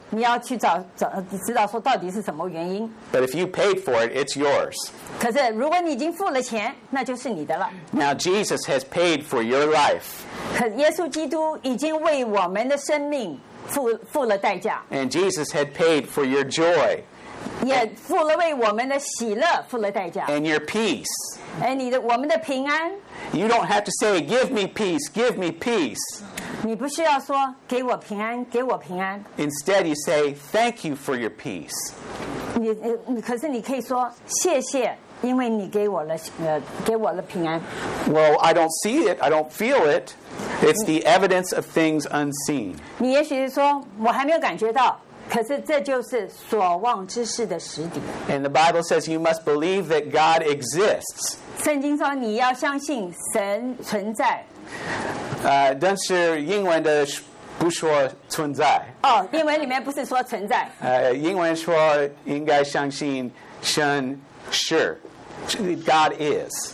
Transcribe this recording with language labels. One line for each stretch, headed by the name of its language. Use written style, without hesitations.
Chinese: 你要去知道说到底是什么原因。
English: But if you paid for it, it's yours.
Chinese: 可是如果你已经付了钱，那就是你的了。
English: Now Jesus has paid for your life.
Chinese: 可耶稣基督已经为我们的生命付了代价。
English: And Jesus had paid for your joy.
Chinese: 也付了为我们的喜乐付了代价。
English: And your peace.
Chinese: And 你的我们的平安
English: You don't have to say, "Give me peace, give me peace."
Chinese: 你不需要说给我平安，给我平安。
English: Instead, you say, "Thank you for your peace."
Chinese: 你可是你可以说谢谢，因为你给我了平安。
English: Well, I don't see it, I don't feel it. It's the evidence of things unseen.
Chinese: 你也许是说我还没有感觉到，可是这就是所望之事的实底。
English: And the Bible says you must believe that God exists.
Chinese: 圣经说你要相信神存在。但是英文的不说存在。哦，英文里面不是说存在。英文说应该相信神是。
English: God is.